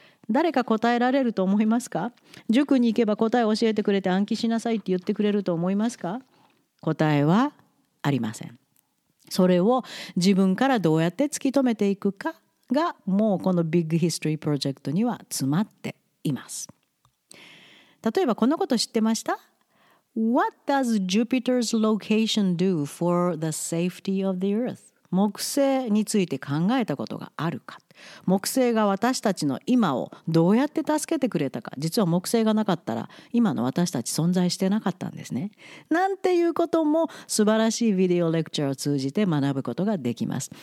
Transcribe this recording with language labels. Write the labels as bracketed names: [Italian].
[Japanese] 誰か答えられると思いますか。塾に行けば答え教えてくれて暗記しなさいって言ってくれると思いますか。答えはありません。それを自分からどうやって突き止めていくかがもうこのビッグヒストリープロジェクトには詰まっています。例えばこんなこと知ってました？ [English] What does Jupiter's location do for the safety of the Earth? [Japanese] 木星について考えたことがあるか。木星が私たちの今をどうやって助けてくれたか。実は木星がなかったら今の私たち存在してなかったんですね。なんていうことも素晴らしいビデオレクチャーを通じて学ぶことができます。